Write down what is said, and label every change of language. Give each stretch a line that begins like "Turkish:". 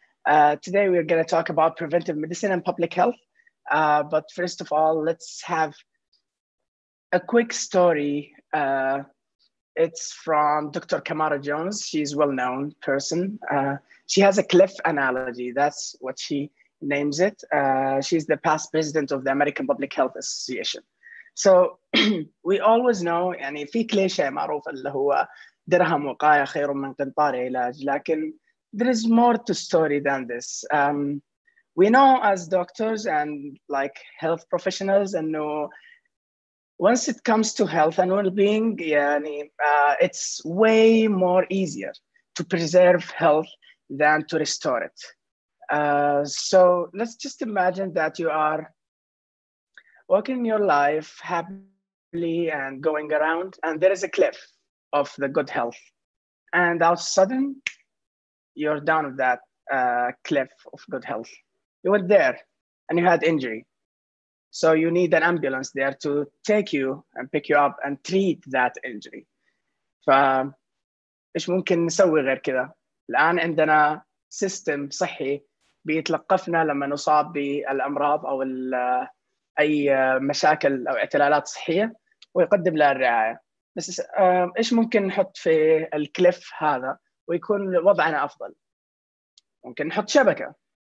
English: Today we're going to talk about preventive medicine and public health. But first of all, let's have a quick story. It's from Dr. Kamara Jones. She's a well-known person. She has a cliff analogy. That's what she names it. She's the past president of the American Public Health Association. So we always know,
Arabic: يعني في كليشة معروفة اللي هو درهم وقاية خير من قنطار علاج, لكن
English: there is more to story than this. We know as doctors and like health professionals, and know once it comes to health and well-being,
Arabic: يعني
English: it's way more easier to preserve health than to restore it. So let's just imagine that you are walking your life happily and going around, and there is a cliff of the good health. And all of a sudden, you're down with that cliff of good health. You went there and you had injury. So you need an ambulance there to take you and pick you up and treat that injury.
Arabic: فإيش ممكن نسوي غير كذا؟ الآن عندنا سيستم صحي بيتلقفنا لما نصاب بالأمراض أو أي مشاكل أو اعتلالات صحية ويقدم لها الرعاية. بس إيش ممكن نحط في الكليف هذا ويكون وضعنا أفضل؟ ممكن نحط شبكة.